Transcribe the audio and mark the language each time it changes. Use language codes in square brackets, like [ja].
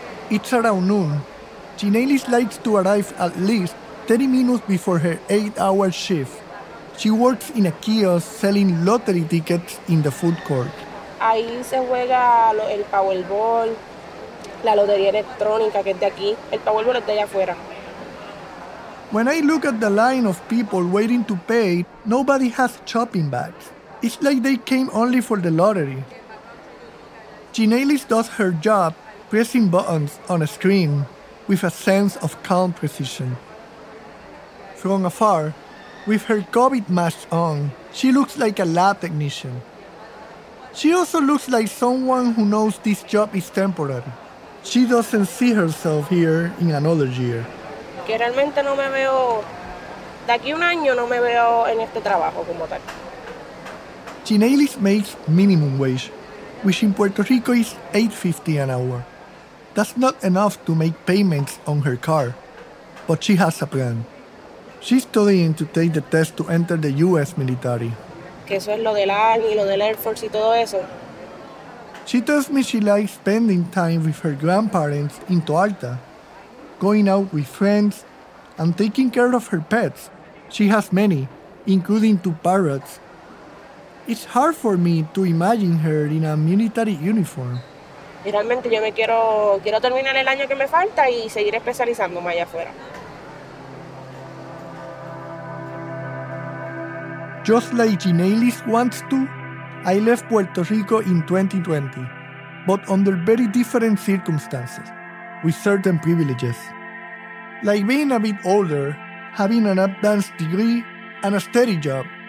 [en] It's around noon. Ginelli's likes to arrive at least 30 minutes before her 8-hour shift. She works in a kiosk selling lottery tickets in the food court. [es] Ahí se juega el Powerball, la lotería electrónica que es de aquí. El Powerball es de allá afuera. [en] When I look at the line of people waiting to pay, nobody has shopping bags. It's like they came only for the lottery. Ginelli does her job pressing buttons on a screen with a sense of calm precision. From afar, with her COVID mask on, she looks like a lab technician. She also looks like someone who knows this job is temporary. She doesn't see herself here in another year. [es] Que realmente no me veo, de aquí un año no me veo en este trabajo como tal. [en] Ginelli makes minimum wage, which in Puerto Rico is $8.50 an hour. That's not enough to make payments on her car, but she has a plan. She's studying to take the test to enter the U.S. military. [es] Que eso es lo del Army, lo del Air Force y todo eso. [en] She tells me she likes spending time with her grandparents in Toalta, going out with friends and taking care of her pets. She has many, including two parrots. It's hard for me to imagine her in a military uniform. [es] Realmente yo me quiero terminar el año que me falta y seguir especializándome allá afuera. [en] Just like Ginelli wants to, I left Puerto Rico in 2020, but under very different circumstances, with certain privileges. Like being a bit older, having an advanced degree, and a steady job.